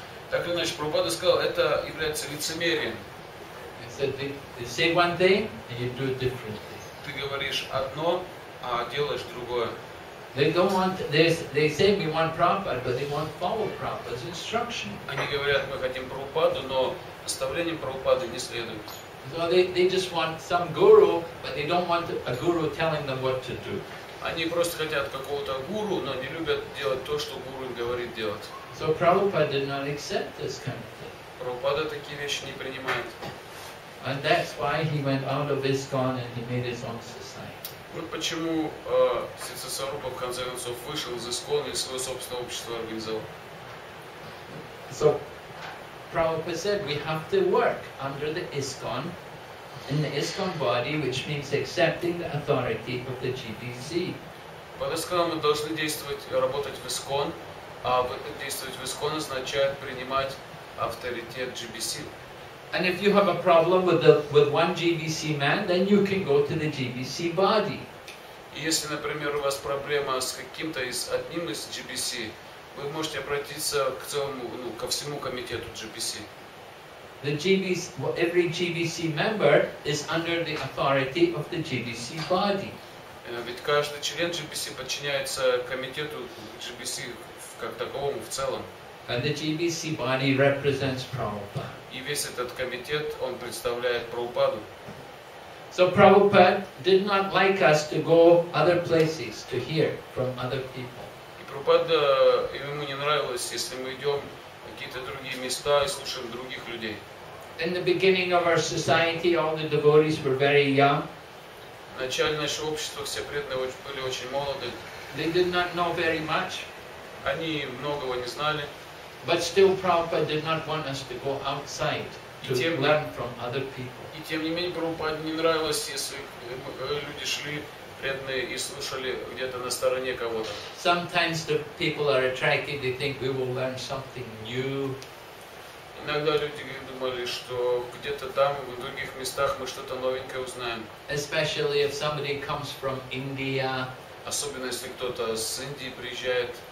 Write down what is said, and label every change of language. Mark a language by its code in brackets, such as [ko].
[ru] Так иначе Прабхупада сказал, это является лицемерием. [en] He said, you say one thing and you do it differently. [ru] Ты говоришь одно, а делаешь другое. [en] They don't want this. They say we want Prabhupada, but they want follow Prabhupada's instruction. [ru] Они говорят, мы хотим Прабхупаду, но наставлениям Прабхупады не следуют. [en] So they just want some guru, but they don't want a guru telling them what to do. [ru] Они просто хотят какого-то гуру, но не любят делать то, что гуру говорит делать. [en] So Prabhupada did not accept this kind of thing. [ru] Прабхупада такие вещи не принимает. [en] And that's why he went out of ISKCON and he made his own society. [ru] Вот почему Сица Сарупа в конце концов вышел из ISKCON и свое собственное общество организовал. [en] So Prabhupada said we have to work under the ISKCON, in the ISKCON body, which means accepting the authority of the GBC. [ru] Прабхупада сказал, мы должны действовать, работать в ISKCON, а действовать в ISKCON означает принимать авторитет GBC. [en] And if you have a problem with one GBC man, then you can go to the GBC body. [ru] Если, например, у вас проблема с каким-то из одним из GBC, вы можете обратиться к целому, ну, ко всему комитету GBC. [en] The GBC, well, every GBC member is under the authority of the GBC body. [ru] Ведь каждый член GBC подчиняется комитету GBC как таковому в целом. [en] And the GBC body represents Prabhupada. [ru] И весь этот комитет, он представляет Прабхупаду. [en] So Prabhupada did not like us to go other places to hear from other people. [ru] И Прабхупада, ему не нравилось, если мы идем в какие-то другие места и слушаем других людей. [en] In the beginning of our society, all the devotees were very young. [ru] В начале нашего общества все преданные были очень молоды. [en] They did not know very much. [ru] Они многого не знали. [en] But still Prabhupada did not want us to go outside to learn from other people. [ru] И тем не менее Прабхупаде не нравилось, если люди шли преданные и слушали где-то на стороне кого-то. [en] Sometimes the people are attracted, they think we will learn something new. [ru] Иногда люди думали, что где-то там, в других местах мы что-то новенькое узнаем. [en] Especially if somebody comes from India. [ru] Особенно если кто-то с Индии приезжает.